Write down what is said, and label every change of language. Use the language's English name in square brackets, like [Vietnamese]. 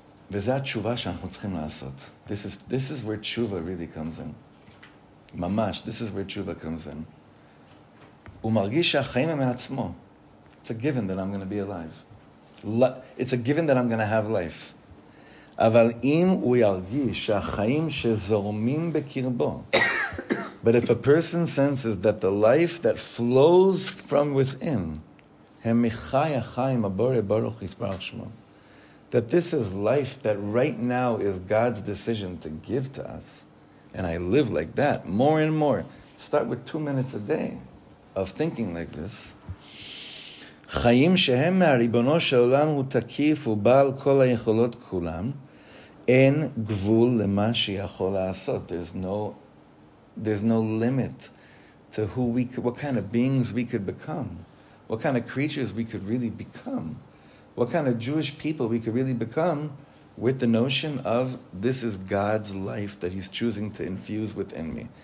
[Hebrew] וזה התשובה שאנחנו צריכים לעשות. [English] This is where תשובה really comes in. [Hebrew] ממש, [English] this is where תשובה comes in. [Hebrew] הוא מרגיש שהחיים הם מעצמו. [English] It's a given that I'm going to be alive. It's a given that I'm going to have life. [Hebrew] אבל אם הוא ירגיש שהחיים שזורמים בקרבו, [English] but if a person senses that the life that flows from within, [Hebrew] הם מחי החיים הבורא ברוך יתברך שמו, [English] that this is life that right now is God's decision to give to us, and I live like that more and more. Start with 2 minutes a day of thinking like this. [Hebrew] חיים שהם מהריבונו של עולם הוא תקיף ובעל כל היכולות כולם, אין גבול למה שיכול לעשות. [English] There's no limit to who we could, what kind of beings we could become, what kind of creatures we could really become, what kind of Jewish people we could really become with the notion of this is God's life that he's choosing to infuse within me.